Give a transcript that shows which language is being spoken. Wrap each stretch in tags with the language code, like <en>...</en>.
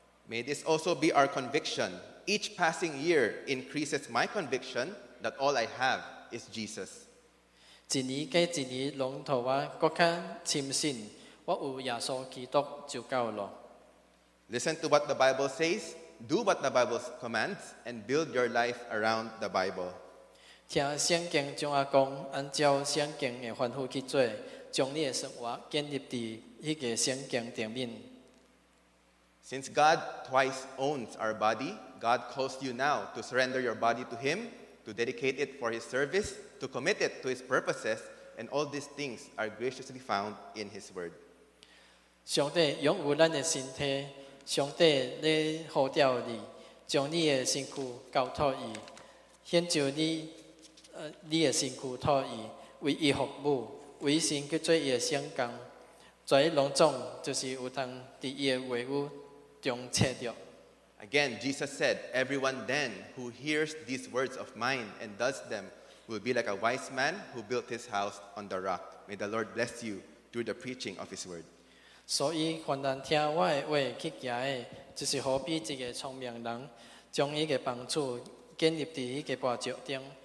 <en>May this also be our conviction. Each passing year increases my conviction that all I have is Jesus.</en> <nan>一年过一年，拢托我更加深信，我有耶稣基督就够了。</nan> <en>Listen to what the Bible says. Do what the Bible commands, and build your life around the Bible.</en> <nan>听圣经中阿讲，按照圣经的吩咐去做。将你的生活建立在那个圣经顶面。</nan> <en>Since God twice owns our body, God calls you now to surrender your body to Him, to dedicate it for His service, to commit it to His purposes, and all these things are graciously found in His Word.</en> <nan>上帝拥有咱的身体，上帝咧呼召你，将你的身躯交托伊，献上你，你的身躯托伊，为伊服务。为神去做伊的圣工，跩隆重就是有通伫伊的话语中切着。</nan> <en>Again, Jesus said, "Everyone then who hears these words of mine and does them will be like a wise man who built his house on the rock." May the Lord bless you through the preaching of His word.</en> <nan>所以，凡人听我的话去行的，就是好比一个聪明人，将伊的房子建立伫伊的磐石顶。</nan>